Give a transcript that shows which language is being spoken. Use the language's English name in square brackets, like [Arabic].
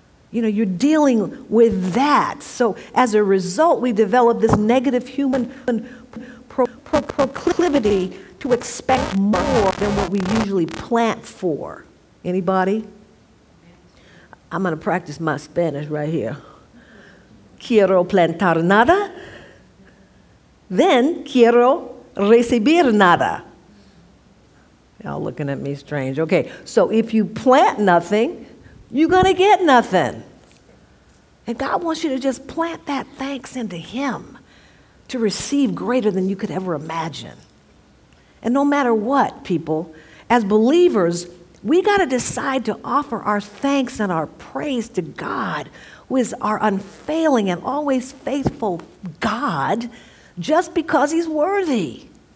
[English] You know, you're dealing with that. So as a result, we develop this negative human proclivity to expect more than what we usually plant for. Anybody? I'm going to practice my Spanish right here. [Spanish] Quiero plantar nada, [English] then [Spanish] quiero recibir nada. [English] Y'all looking at me strange. Okay, so if you plant nothing, you're going to get nothing. And God wants you to just plant that thanks into him to receive greater than you could ever imagine. And no matter what, people, as believers, we got to decide to offer our thanks and our praise to God, who is our unfailing and always faithful God, just because he's worthy.